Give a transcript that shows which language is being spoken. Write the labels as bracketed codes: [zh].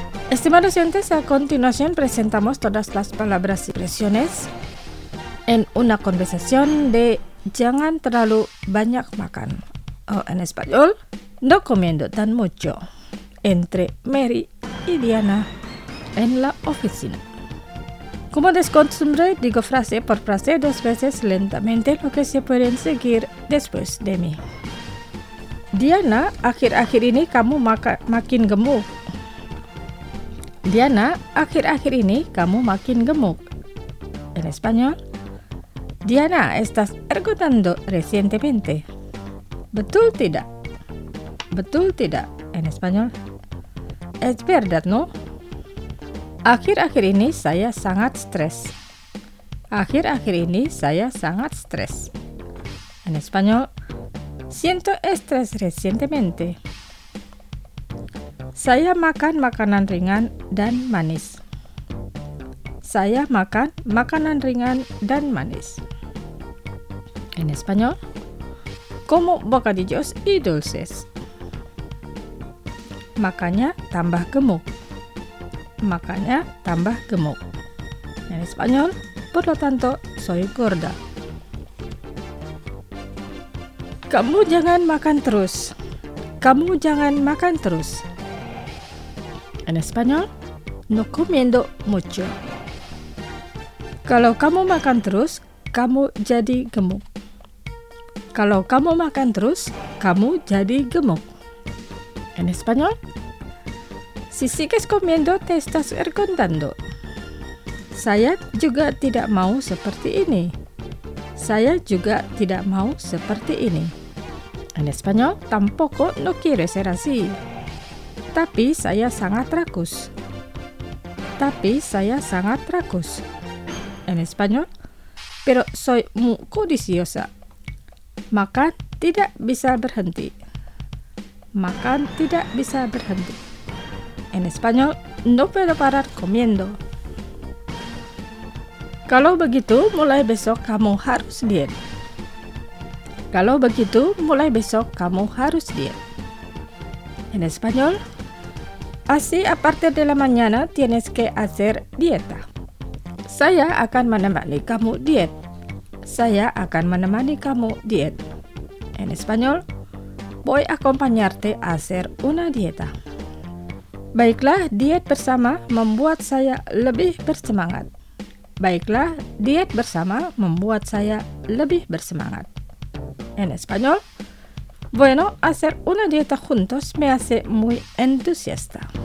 [es] Estimados oyentes, a continuación presentamos todas las palabras y expresiones en una conversación de [id] Jangan terlalu banyak makan, [es] o en español, no comiendo tan mucho, entre Mary y Diana en la oficina. Como de costumbre, digo frase por frase dos veces lentamente lo que se pueden seguir después de mí. [id] Diana, akhir-akhir ini kamu makin gemuk. Diana, akhir-akhir ini kamu makin gemuk. [es] En español. Diana, estás engordando recientemente. [id] Betul tidak? Betul tidak? [es] En español. Es verdad, ¿no? [id] Akhir-akhir ini saya sangat stres. Akhir-akhir ini saya sangat stres. [es] En español. Siento estrés recientemente. [id] Saya makan makanan ringan dan manis. Saya makan makanan ringan dan manis. [es] En español. Como bocadillos y dulces. [id] Makannya tambah gemuk. Makannya tambah gemuk. [es] En español. Por lo tanto, soy gorda. [id] Kamu jangan makan terus. Kamu jangan makan terus. [es] En español, no comiendo mucho. [id] Kalau kamu makan terus, kamu jadi gemuk. Kalau kamu makan terus, kamu jadi gemuk. [es] En español, si sigues comiendo te estás engordando. [id] Saya juga tidak mau seperti ini. Saya juga tidak mau seperti ini. [es] En español, tampoco no quiero ser así. [id] Tapi saya sangat rakus. Tapi saya sangat rakus. [es] En español, pero soy muy codiciosa. [id] Makan tidak bisa berhenti. Makan tidak bisa berhenti. [es] En español, no puedo parar comiendo. [id] Kalau begitu, mulai besok kamu harus diet. Kalau begitu, mulai besok kamu harus diet. [es] En español, así a partir de la mañana tienes que hacer dieta. [id] Saya akan menemani kamu diet. Saya akan menemani kamu diet. [es] En español, voy a acompañarte a hacer una dieta. [id] Baiklah, diet bersama membuat saya lebih bersemangat. Baiklah, diet bersama membuat saya lebih bersemangat. [es] En español, bueno, hacer una dieta juntos me hace muy entusiasta.